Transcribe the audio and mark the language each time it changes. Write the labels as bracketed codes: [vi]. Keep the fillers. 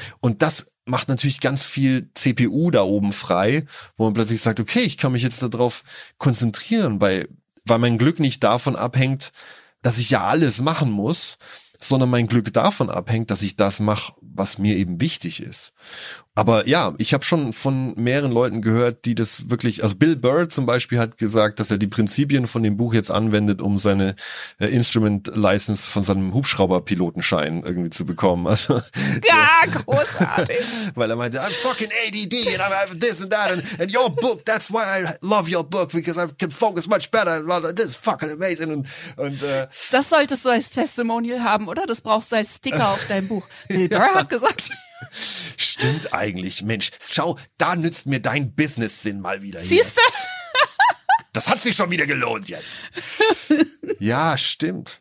[de] Und das macht natürlich ganz viel CPU da oben frei, wo man plötzlich sagt, okay, ich kann mich jetzt darauf konzentrieren, weil, weil mein Glück nicht davon abhängt, dass ich ja alles machen muss, sondern mein Glück davon abhängt, dass ich das mache, was mir eben wichtig ist. Aber ja, ich habe schon von mehreren Leuten gehört, die das wirklich, also Bill Burr zum Beispiel hat gesagt, dass er die Prinzipien von dem Buch jetzt anwendet, um seine äh, Instrument License von seinem Hubschrauberpilotenschein irgendwie zu bekommen. Also Ja, großartig. weil er meinte, [en] I'm fucking ADD and I have this and that and, and your book, that's why I love your book because I can focus much better. This is fucking amazing. [de] Und, und äh, Das solltest du als Testimonial haben, oder? Das brauchst du als Sticker auf deinem Buch. Bill Burr hat gesagt, stimmt eigentlich, Mensch. Schau, da nützt mir dein Business-Sinn mal wieder. hier. siehst du? Das hat sich schon wieder gelohnt jetzt. ja, stimmt.